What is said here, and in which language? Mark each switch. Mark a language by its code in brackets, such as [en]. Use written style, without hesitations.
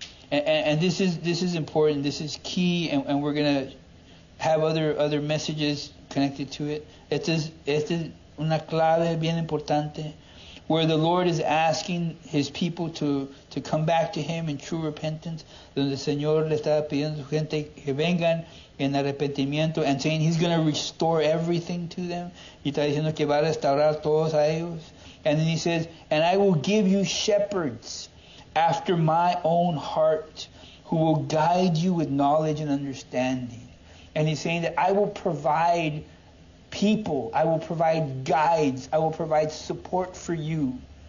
[en] And this is important. This is key, and we're gonna have other messages connected to it. [es] Esta es una clave bien importante. [en] Where the Lord is asking his people to come back to him in true repentance. [es] Donde el Señor le está pidiendo a su gente que vengan en arrepentimiento. [en] And saying he's going to restore everything to them. [es] Y está diciendo que va a restaurar todos a ellos. [en] And then he says, and I will give you shepherds after my own heart, who will guide you with knowledge and understanding. And he's saying that I will provide people, I will provide guides, I will provide support for you.